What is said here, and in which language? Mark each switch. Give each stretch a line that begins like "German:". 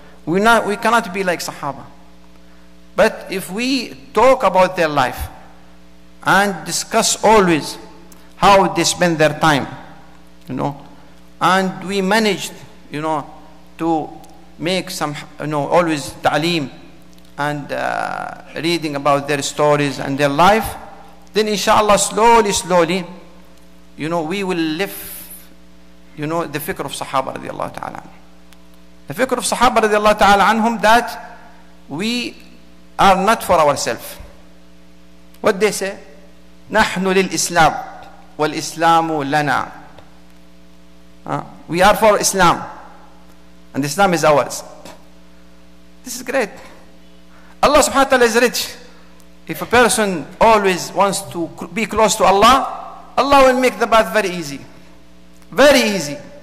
English: We cannot be like Sahaba. But if we talk about their life and discuss always how they spend their time, and we managed, to make some, always ta'aleem and reading about their stories and their life, then inshallah, slowly, we will lift, the fikr of Sahaba radiallahu ta'ala. The fikr of Sahaba radiallahu ta'ala anhum, that we are not for ourselves. What they say?
Arabic: نحن للإسلام والإسلام لنا.
English: We are for Islam, and Islam is ours. This is great. Allah subhanahu wa ta'ala is rich. If a person always wants to be close to Allah, Allah will make the path very easy. Very easy.